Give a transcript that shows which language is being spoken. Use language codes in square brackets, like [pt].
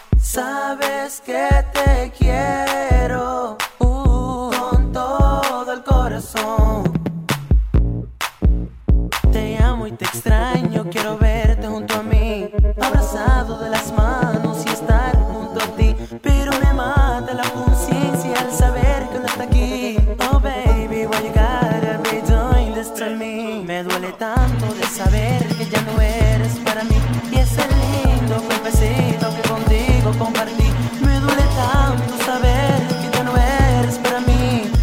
[es] Sabes que te quiero con todo el corazón. Te amo y te extraño. Quiero ver junto a mí, abrazado de las manos y estar junto a ti. Pero me mata la conciencia al saber que no está aquí. [en] Oh baby, why you gotta be doing this to me? [es] Me duele tanto de saber que ya no eres para mí. Y ese lindo cafecito que contigo compartí. Me duele tanto saber que ya no eres para mí.